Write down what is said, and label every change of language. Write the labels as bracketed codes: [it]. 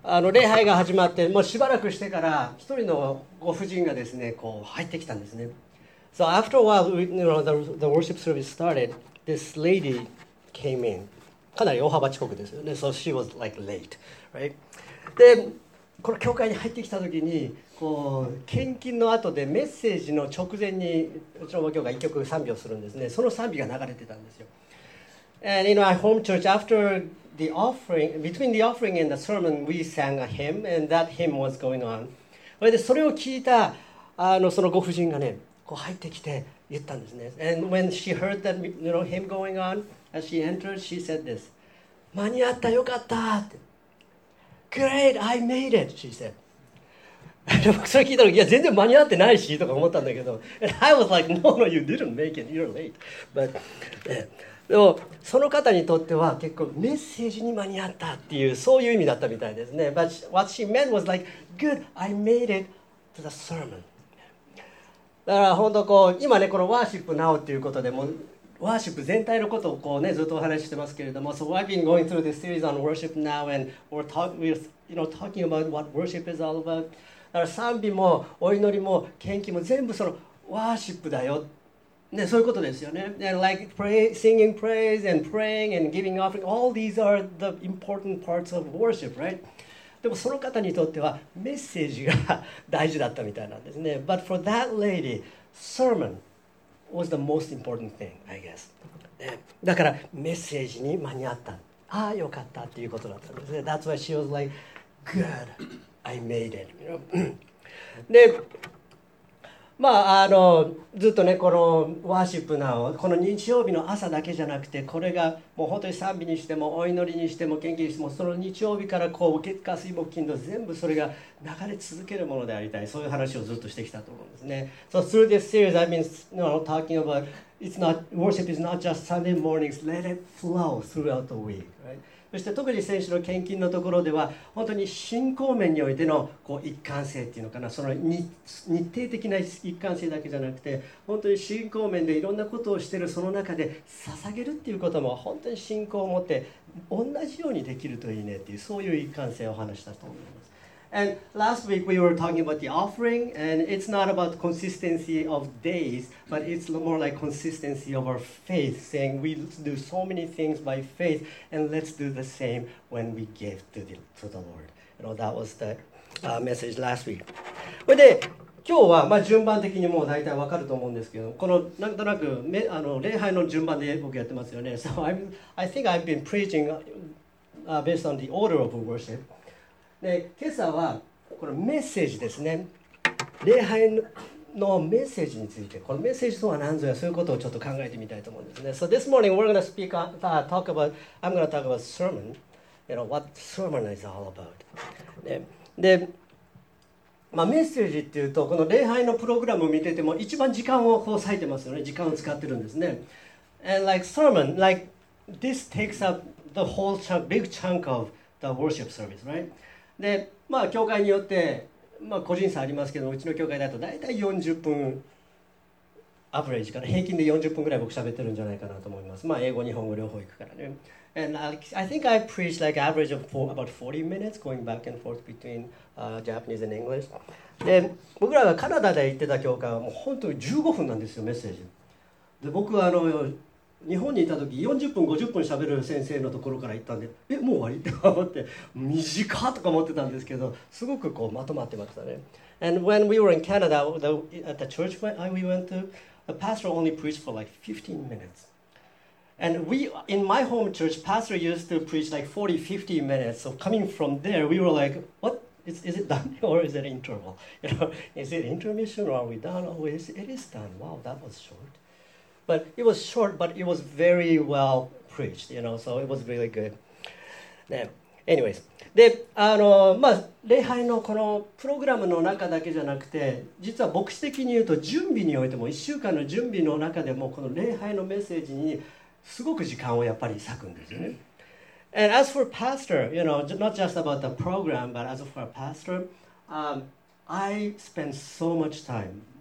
[ja] 礼拝が始まって、もうしばらくしてから、一人のご婦人がですね、こう入ってきたんですね。 [en] So after a while, you know, the worship service started, this lady came in. [ja] かなり大幅遅刻ですよね。 [en] So she was like late, right? [ja] で、この教会に入ってきたときに、こう献金の後でメッセージの直前に、うちの母教会一曲賛美をするんですね。その賛美が流れてたんですよ。 [en] And in my home church, after the offering, between the offering and the sermon, we sang a hymn, and that hymn was going on. [ja] それで、それを聞いたそのご婦人がね、こう入ってきて言ったんですね。 [en] And when she heard that, you know, hymn going on, as she entered, she said this. [ja] 間に合った、よかったって。 [en] Great, I made it, she said. [ja] 僕それ聞いたら、いや、全然間に合ってないし、とか思ったんだけど。 [en] And I was like, no, no, you didn't make it, you're late. But, [ja] でも、その方にとっては結構メッセージに間に合ったっていう、そういう意味だったみたいですね。 [en] But what she meant was like, good, I made it to the sermon. [ja] だから本当こう、今ね、このワーシップ now っていうことでもう、ワーシップ全体のことをこう、ね、ずっとお話ししてますけれども、 [en] So I've been going through this series on worship now and we're talking about what worship is all about. [ja] だから賛美もお祈りも献金も全部そのワーシップだよ。ね、そういうことですよね。 [en] And like singing praise and praying and giving offering, all these are the important parts of worship, right? [ja] でもその方にとってはメッセージが大事だったみたいなんですね。 [en] But for that lady, sermon,was the most important thing, I guess. [ja] だからメッセージに間に合った。ああ、よかったっていうことだったんですね。 [en] That's why she was like, good, I made it. [ja] で、まあ、ずっとね、このワーシップなお、この日曜日の朝だけじゃなくて、これがもう本当に賛美にしても、お祈りにしても、献金にしても、その日曜日からこう、月火水木金土、全部それが流れ続けるものでありたい、そういう話をずっとしてきたと思うんですね。 [en] So through this series, I've been, you know, talking about, it's not, worship is not just Sunday mornings, let it flow throughout the week, right? [ja] そして特に選手の献金のところでは本当に信仰面においてのこう一貫性っていうのかな、その日程的な一貫性だけじゃなくて本当に信仰面でいろんなことをしているその中で捧げるっていうことも本当に信仰を持って同じようにできるといいねっていうそういう一貫性をお話したと思います。 [en] And last week we were talking about the offering and it's not about consistency of days but it's more like consistency of our faith, saying we do so many things by faith, and let's do the same when we give to the Lord. You know, that was the message last week. [ja] それで、今日は、まあ、順番的にもう大体わかると思うんですけど、このなんとなく礼拝の順番で僕やってますよね。 [en] So I think I've been preaching based on the order of worship. [ja] で、今朝はこのメッセージですね。礼拝ののメッセージについて、このメッセージとは何ぞや、そういうことをちょっと考えてみたいと思うんですね。 [en] So this morning we're going to speak about, I'm going to talk about sermon, you know, what sermon is all about. [ja] で、まあ、メッセージっていうと、この礼拝のプログラムを見てても、一番時間をこう割いてますよね、時間を使ってるんですね。 [en] And like sermon, like this takes up the whole chunk, big chunk of the worship service, right? [ja] で、まあ教会によって、まあ、個人差ありますけど、うちの教会だと大体40分、アプレージから、平均で40分ぐらい僕喋ってるんじゃないかなと思います。まあ、英語、日本語両方行くからね。 [en] And I think I preach like average of about 40 minutes going back and forth between Japanese and English. [ja] で、僕らがカナダで行ってた教会はもう本当に15分なんですよ、メッセージ。で、僕は日本にいた時40分、50分喋る先生のところから行ったんで、え、もう終わりって思って、短いとか思ってたんですけど、すごくこうまとまってましたね。 [en] And when we were in Canada, at the church we went to, the pastor only preached for like 15 minutes. And we, in my home church, pastor used to preach like 40, 50 minutes. So coming from there, we were like, what? Is it done or is it interval? You know, is it intermission or are we done? Oh, it is done. Wow, that was short. But it was short, but it was very well preached, you know, so it was really good. Anyways, [ja] で、まあ、礼拝のこのプログラムの中だけじゃなくて、実は牧師的に言うと準備においても、1週間の準備の中でも、この礼拝のメッセージにすごく時間をやっぱり割くんですよね。 [en] And as for pastor, you know, not just about the program, but as for a pastor, I spend so much time,